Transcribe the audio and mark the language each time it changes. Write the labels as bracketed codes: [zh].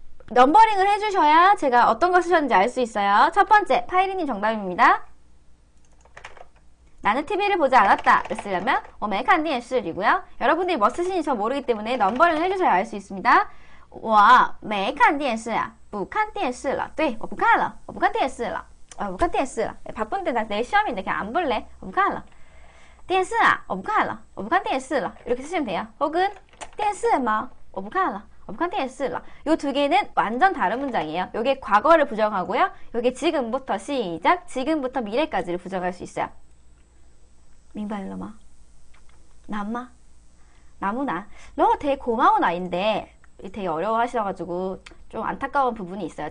[ko] 넘버링을 해주셔야 제가 어떤 거 쓰셨는지 알수 있어요. 첫 번째, 파이리님 정답입니다. 나는 TV를 보지 않았다. 쓰려면 [zh] 我没看电视 [ko] 이고요. 여러분들이 뭐 쓰시는지 저 모르기 때문에 넘버링을 해주셔야 알수 있습니다. [zh] 我没看电视啊，不看电视了。对, 我不看了，我不看电视了。我不看电视了. [ko] 바쁜데 나내 시험인데 그냥 안 볼래. [zh] 我不看了。电视啊，我不看了。我不看电视了。 [ko] 이렇게 쓰시면 돼요. [zh] 혹은 电视吗？我不看了。我不看电视了。 [ko] 요두 개는 완전 다른 문장이에요. 요게 과거를 부정하고요. 요게 지금부터 시작, 지금부터 미래까지를 부정할 수 있어요. [zh] 明白了吗？나마? 나무나? [ko] 너 되게 고마운 아이인데. 되게 어려워하셔가지고 좀 안타까운 부분이 있어요.